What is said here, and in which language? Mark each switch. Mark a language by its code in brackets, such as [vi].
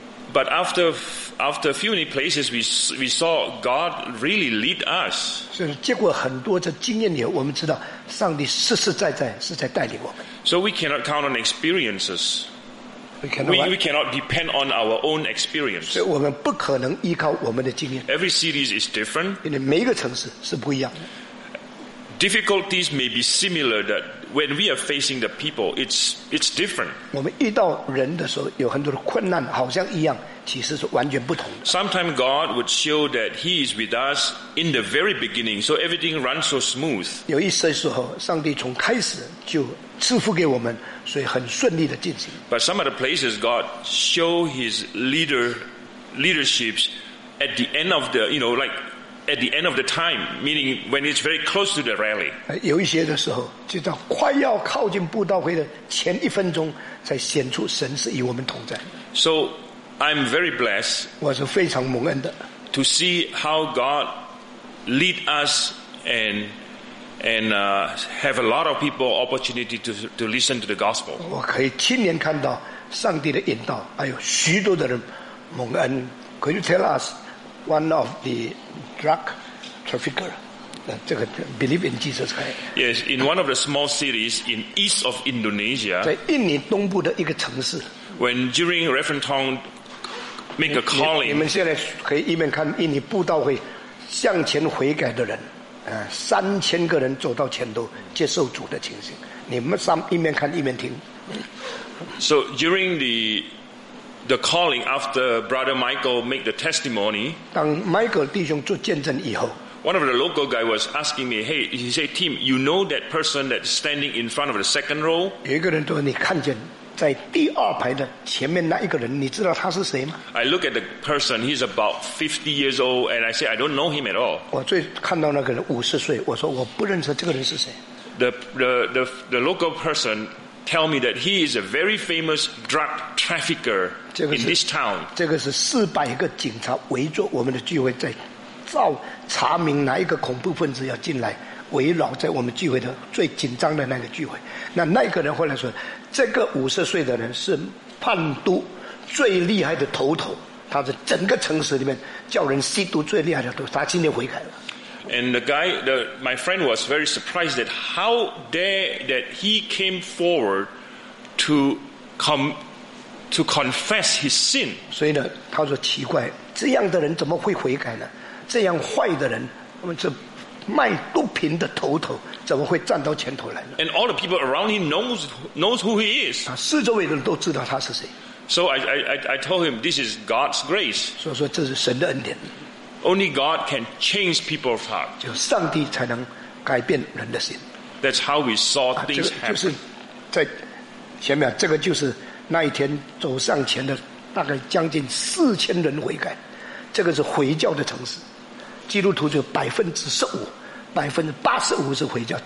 [en] But after a few many places, we saw God really lead us. [zh] 是结果很多的经验以后，我们知道上帝实实在在是在带领我们。 [en] So we cannot count on experiences. We cannot depend on our own experience. [zh] 所以我们不可能依靠我们的经验。 [en] Every city is different. [zh] 因为每一个城市是不一样的。 [en] Difficulties may be similar, that when we are facing the people, it's different. [zh] 我们遇到人的时候有很多的困难，好像一样，其实是完全不同的。 [en] Sometimes God would show that He is with us in the very beginning, so everything runs so smooth. [zh] 有一些时候，上帝从开始就赐福给我们，所以很顺利的进行。 [en] But some of the places God show His leaderships at the end of the, you know, like. At the end of the time, meaning when it's very close to the rally. [zh] 有一些的时候，就到快要靠近布道会的前一分钟，才显出神是与我们同在。 [en] So I'm very blessed. [zh] 我是非常蒙恩的。 [en] To see how God lead us and have a lot of people opportunity to listen to the gospel. [zh] 我可以亲眼看到上帝的引导，还有许多的人蒙恩。 [en] Could you tell us? One of the drug trafficker, believe in Jesus Christ. Yes, in one of the small cities in east of Indonesia. [zh] 在印尼东部的一个城市。 [en] When during Reverend Tong make a calling. [zh] 你们现在可以一面看印尼布道会向前悔改的人，3000个人走到前头接受主的情形。你们上一面看一面听。 [en] So during the calling after Brother Michael made the testimony, [zh] 当 Michael 弟兄做见证以后, [en] One of the local guys was asking me, hey, he said, Tim, you know that person that's standing in front of the second row? [zh] 有一个人说你看见在第二排的前面那一个人，你知道他是谁吗？ [en] I look at the person, he's about 50 years old, and I say, I don't know him at all. [zh] 我最看到那个人50岁，我说我不认识这个人是谁。 [en] The local person tell me that he is a very famous drug trafficker in this town. [zh] 这个是400个警察围着我们的聚会在照查明哪一个恐怖分子要进来，围绕在我们聚会的最紧张的那个聚会。那个人后来说，这个五十岁的人是贩毒最厉害的头头，他是整个城市里面叫人吸毒最厉害的头，他今天悔改了。 [en] And the guy, my friend was very surprised that how dare that he came forward to confess his sin. [zh] 所以呢，他说奇怪，这样的人怎么会悔改呢？这样坏的人，我们这卖毒品的头头怎么会站到前头来呢？ [en] And all the people around him knows who he is. [zh] 四周围的人都知道他是谁。 [en] So I told him this is God's grace. [zh] 所以说这是神的恩典。 [en] Only God can change people's heart. [zh] 就上帝才能改变人的心。 [en] That's how we saw things happen. [zh] 就是在前面，这个就是那一天走上前的大概将近4000人悔改。这个是回教的城市，基督徒就15%，85%是回教。